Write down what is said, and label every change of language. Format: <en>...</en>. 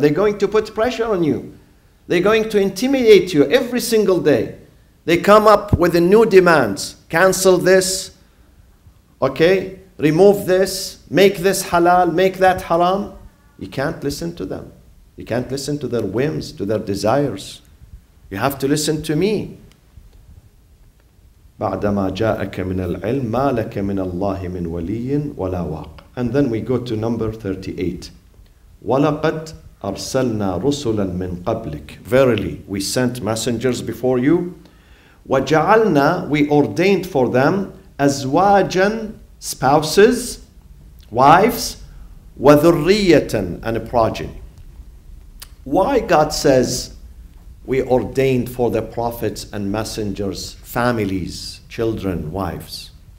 <en>They're going to put pressure on you. They're going to intimidate you every single day. They come up with a new demands. Cancel this. Okay? Remove this. Make this halal. Make that haram. You can't listen to them. You can't listen to their whims, to their desires. You have to listen to me.</en> <ar>بعدما جاءك من العلم ما لك من الله من ولي ولا واق.</ar> <en>And then we go to number 38.</en> <ar>ولقد أرسلنا رسلا من قبلك.</ar> <en>Verily, we sent messengers before you.</en> <ar>وجعلنا,</ar> <en>we ordained for them</en> <ar>أزواجا,</ar> <en>spouses, wives,</en> <ar>وذرية,</ar> <en>and a progeny. why God says we ordained for the prophets and messengers families, children, wives.</en>